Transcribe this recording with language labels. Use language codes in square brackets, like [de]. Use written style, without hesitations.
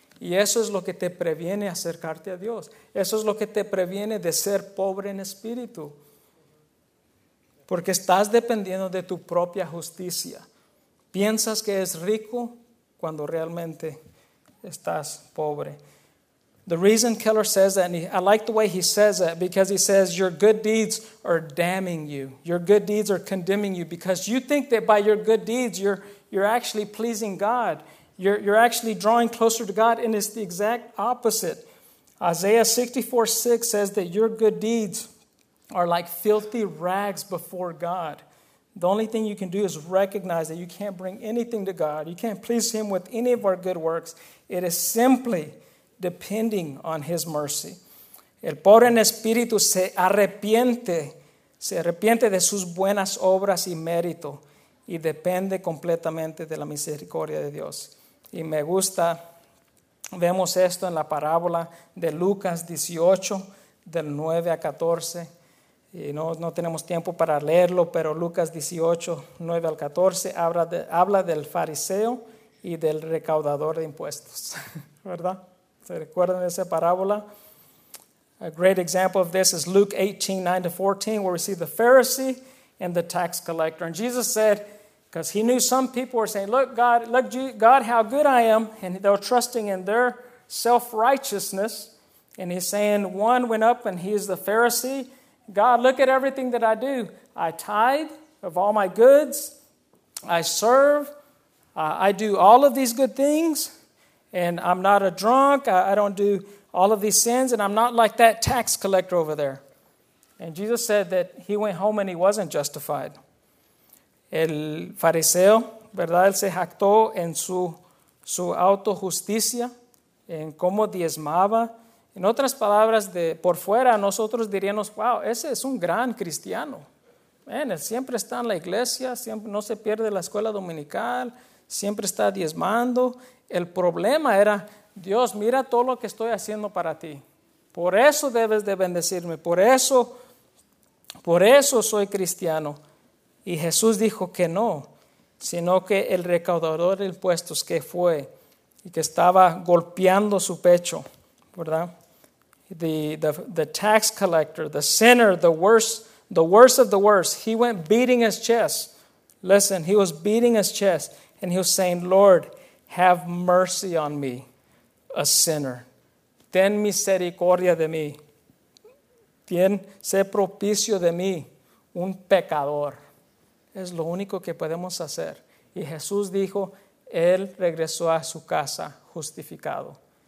[es] Y eso es lo que te previene acercarte a Dios. Eso es lo que te previene de ser pobre en espíritu. Porque estás dependiendo de tu propia justicia. Piensas que es rico cuando realmente estás pobre. [en] The reason Keller says that, and I like the way he says that, because he says your good deeds are damning you. Your good deeds are condemning you because you think that by your good deeds you're actually pleasing God. You're actually drawing closer to God, and it's the exact opposite. Isaiah 64:6 says that your good deeds are like filthy rags before God. The only thing you can do is recognize that you can't bring anything to God. You can't please Him with any of our good works. It is simply depending on His mercy. [es] El pobre en espíritu se arrepiente de sus buenas obras y mérito, y depende completamente de la misericordia de Dios. Y me gusta, vemos esto en la parábola de Lucas 18, del 9 a 14. Y no tenemos tiempo para leerlo, pero Lucas 18, 9 al 14, habla del fariseo y del recaudador de impuestos, ¿verdad? ¿Se recuerdan de esa parábola? [en] A great example of this is Luke 18, 9 to 14, where we see the Pharisee and the tax collector. And Jesus said, because he knew some people were saying, look, God, how good I am. And they were trusting in their self-righteousness. And he's saying, one went up and he's the Pharisee. God, look at everything that I do. I tithe of all my goods. I serve. I do all of these good things. And I'm not a drunk. I don't do all of these sins. And I'm not like that tax collector over there. And Jesus said that he went home and he wasn't justified. [es] El fariseo, ¿verdad? Él se jactó en su autojusticia, en cómo diezmaba. En otras palabras, de por fuera nosotros diríamos, wow, ese es un gran cristiano. Man, él siempre está en la iglesia, siempre, no se pierde la escuela dominical, siempre está diezmando. El problema era, Dios, mira todo lo que estoy haciendo para ti. Por eso debes de bendecirme, por eso soy cristiano. Y Jesús dijo que no, sino que el recaudador de impuestos que fue y que estaba golpeando su pecho, ¿verdad? [en] The tax collector, the sinner, the worst of the worst, he went beating his chest. Listen, he was beating his chest and he was saying, Lord, have mercy on me, a sinner. [es] Ten misericordia de mí. Ten, sé propicio de mí, un pecador. Es lo único que podemos hacer. Y Jesús dijo, él regresó a su casa justificado.